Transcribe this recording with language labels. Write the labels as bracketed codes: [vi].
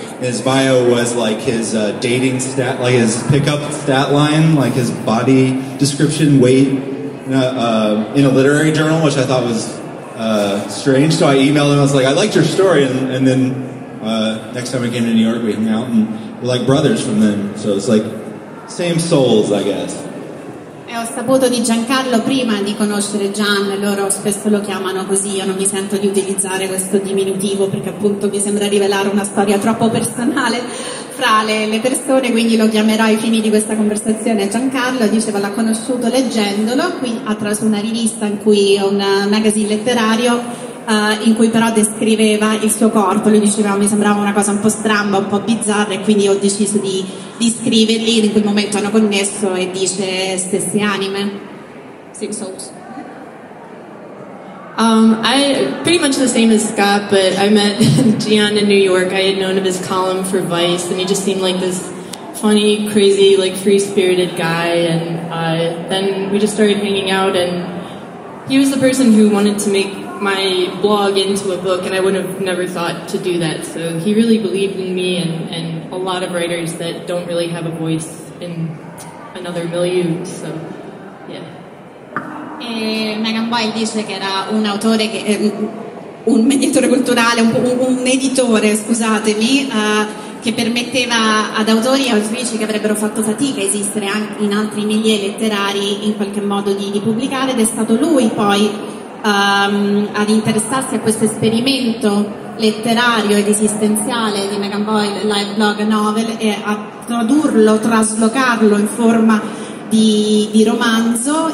[en] His bio was like his dating stat, like his pickup stat line, like his body description, weight, in a literary journal, which I thought was strange. So I emailed him. I was like, I liked your story, and then Next time I came to New York, we hung out, and we're like brothers from then. So it's like same souls, I guess. [it] Ho saputo di Giancarlo prima di conoscere Gian, loro spesso lo chiamano così, io non mi sento di utilizzare questo diminutivo perché appunto mi sembra rivelare una storia troppo personale fra le persone, quindi lo chiamerò ai fini di questa conversazione Giancarlo. Diceva, l'ha conosciuto leggendolo qui attraverso una rivista in cui un magazine letterario in cui però descriveva il suo corpo. Lui diceva, mi sembrava una cosa un po' stramba, un po' bizzarra, e quindi ho deciso di scriverli. In quel momento hanno connesso e dice stesse anime, same souls. [en] I pretty much the same as Scott, but I met Gian in New York. I had known of his column for Vice, and he just seemed like this funny, crazy, like free-spirited guy, and then we just started hanging out, and he was the person who wanted to make my blog into a book, and I would have never thought to do that. So he really believed in me, and a lot of writers that don't really have a voice in another milieu. So, yeah. [it] E Megan Boyle dice che era un autore, che un mediatore culturale, un editore, scusatemi, che permetteva ad autori e autrici che avrebbero fatto fatica a esistere anche in altri milieu letterari in qualche modo di pubblicare, ed è stato lui poi ad interessarsi a questo esperimento letterario ed esistenziale di Megan Boyle, Live Blog Novel, e a tradurlo, traslocarlo in forma di romanzo.